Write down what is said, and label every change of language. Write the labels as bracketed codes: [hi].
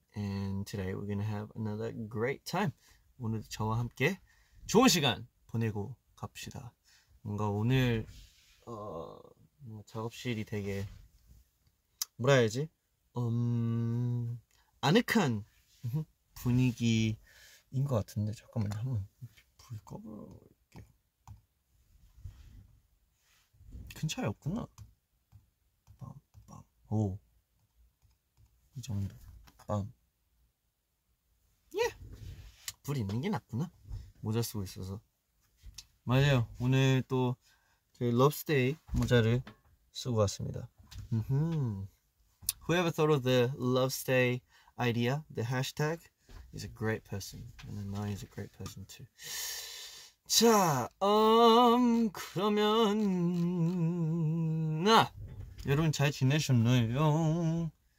[en] And today we're gonna have another great time. [ko] 오늘 저와 함께 좋은 시간 보내고 갑시다. 뭔가 오늘 작업실이 되게 뭐라 해야지 아늑한 분위기인 것 같은데 잠깐만 한번 불 꺼볼게요. 큰 차이 없구나. 빰빰 오 이 정도 빰 예 불 있는 게 낫구나. 모자 쓰고 있어서. 맞아요. 오늘 또 저희 러브스데이 모자를 쓰고 왔습니다. [en] Whoever thought of the Lovestay idea, the hashtag, is a great person. And then I is a great person too. [ko] 자, 그러면 나 여러분 잘 지내셨나요?